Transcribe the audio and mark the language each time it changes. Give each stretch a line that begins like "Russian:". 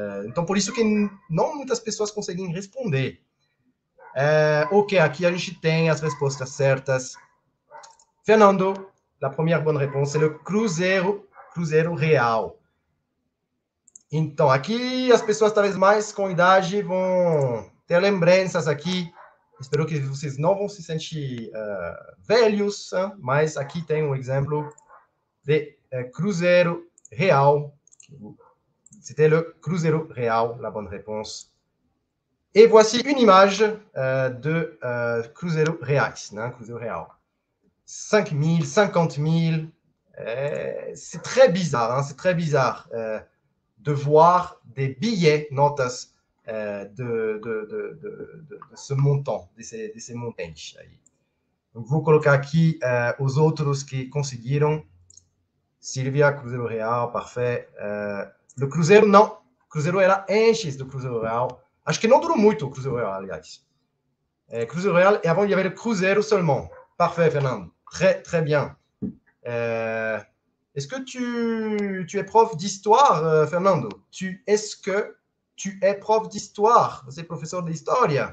Portuguese: Então, por isso que não muitas pessoas conseguem responder. Ok, aqui a gente tem as respostas certas. Fernando.
French: La première bonne réponse, c'est le Cruzeiro Real.
Portuguese: Então, aqui as pessoas, talvez mais com idade, vão ter lembranças aqui. Espero que vocês não vão se sentir velhos, mas aqui tem um exemplo de Cruzeiro Real.
French: C'était le Cruzeiro Real, la bonne réponse. Et voici une image de Cruzeiro Reais, né? Cruzeiro Real. 5 000, 50 000, c'est très bizarre, hein? C'est très bizarre de voir des billets,
Portuguese: notas
French: de ce montant, de ces montantes aí.
Portuguese: Vou colocar aqui os outros que conseguiram.
French: Silvia, Cruzeiro Real, parfait. Le Cruzeiro,
Portuguese: não. Cruzeiro era antes do Cruzeiro Real. Acho que não durou muito o Cruzeiro Real, aliás.
French: Cruzeiro Real, e avant il y avait le Cruzeiro seulement. Parfait, Fernando. Très, très bien. Est-ce que tu es prof d'histoire, Fernando? Est-ce que tu es prof d'histoire? Vous êtes professeur d'histoire?